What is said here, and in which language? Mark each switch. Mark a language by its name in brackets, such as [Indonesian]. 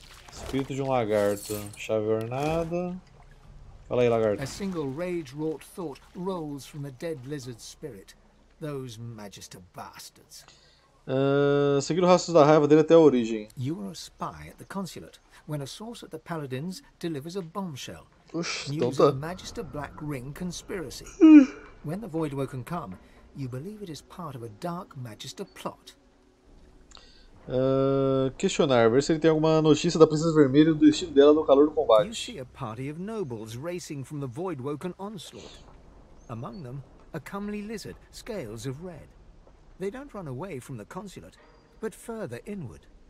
[Portuguese] Espírito de um lagarto. Chave ornada. Fala aí, lagarto. [English] A single rage-wrought thought rolls from a dead lizard spirit. Those magister bastards. [Portuguese] Seguir o rastro da raiva dele até a origem. [English] You are a spy at the consulate when a source at the paladins delivers a bombshell. News of magister black ring conspiracy. When the void woken come, you believe it is part of a dark magister plot. [Portuguese] Questionar, ver se ele tem alguma notícia da Princesa Vermelha e do destino dela no calor do combate. [English] You see a party of nobles racing from the Voidwoken onslaught. Among them, a comely lizard, scales of red. They don't run away from the consulate, but further inward.